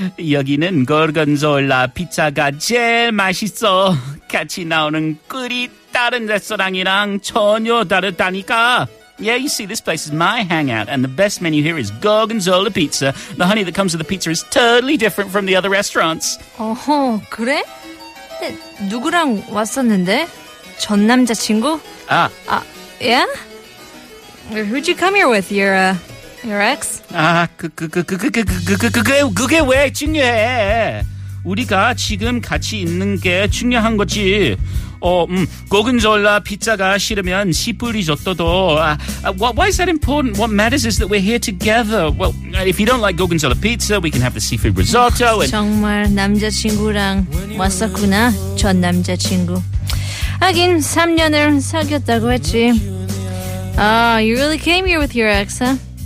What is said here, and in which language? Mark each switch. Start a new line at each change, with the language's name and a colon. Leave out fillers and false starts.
Korean: 여기는 고르곤졸라 피자가 제일 맛있어. 같이 나오는 꿀이 다른 레스토랑이랑 전혀 다르다니까.
English: Yeah, you see, this place is my hangout, and the best menu here is Gorgonzola pizza. The honey that comes with the pizza is totally different from the other restaurants.
Korean: 어허, 그래? 누구랑 왔었는데? 전 남자친구? 예?
English: Who'd you come here with? Your ex?
Korean: 아, 그게 왜 중요해? 우리가 지금 같이 있는 게 중요한 거지. 고근졸라 피자가 싫으면 시뿌리조또도.
English: Why is that important? What matters is that we're here together. Well, if you don't like Gorgonzola pizza, we can have the seafood risotto.
Korean: 정말 남자친구랑 왔었구나, 전 남자친구. 하긴 3년을 사귀었다고 했지.
English: Oh, you really came here with your ex, huh?